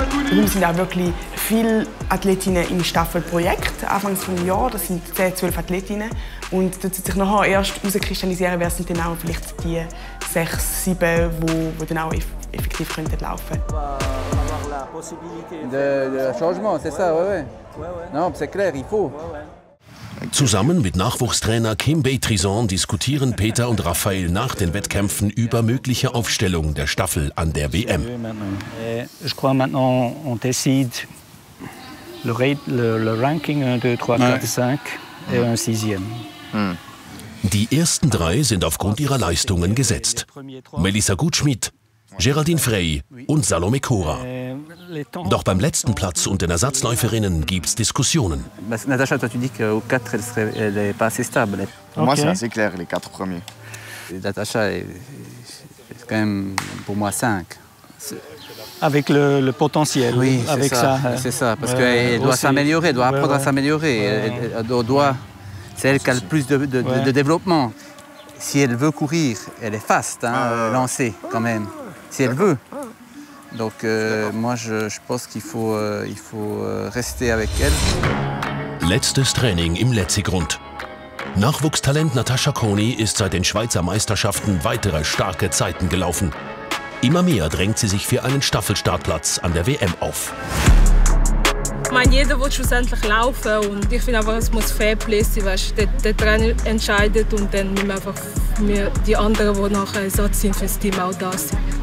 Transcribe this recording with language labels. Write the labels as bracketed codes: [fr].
[de] Wir sind auch wirklich viele Athletinnen im Staffelprojekt. Anfangs vom Jahr, das sind 10, 12 Athletinnen. Und dort sich nachher erst herauskristallisieren, wer sind dann auch vielleicht die 6, 7, die dann auch effektiv laufen könnten. [fr] Der Changement, c'est ça, oui, oui. Non, c'est clair, il faut. [de] Zusammen mit Nachwuchstrainer Kim Betrison diskutieren Peter und Raphael nach den Wettkämpfen über mögliche Aufstellungen der Staffel an der WM. Ich glaube, [fr] maintenant on décide le ranking 1, 2, 3, 4, 5 et un 6e. [de] Die ersten drei sind aufgrund ihrer Leistungen gesetzt. Melissa Gutschmidt, Geraldine Frey und Salome Cora. Doch beim letzten Platz und den Ersatzläuferinnen gibt es Diskussionen. [fr] Natascha, tu dis que au 4, elle serait elle est pas assez stable. Pour moi, c'est assez clair, les 4 premiers. Natascha est quand même pour moi 5. Avec le potentiel, oui, avec ça. Oui, c'est ça. Parce qu'elle doit s'améliorer, elle doit apprendre à s'améliorer. C'est elle qui a le plus de développement. Si elle veut courir, elle est fast, hein, lancée quand même. Si elle veut. Donc moi, je pense qu'il faut, rester avec elle. [de] Letztes Training im Letzigrund. Nachwuchstalent Natascha Kony ist seit den Schweizer Meisterschaften weitere starke Zeiten gelaufen. Immer mehr drängt sie sich für einen Staffelstartplatz an der WM auf. Ich meine, jeder will schlussendlich laufen und ich finde einfach, es muss fair play sein, weißt, der Trainer entscheidet und dann müssen einfach wir die anderen, die nachher Ersatz sind für das Team, auch da sind.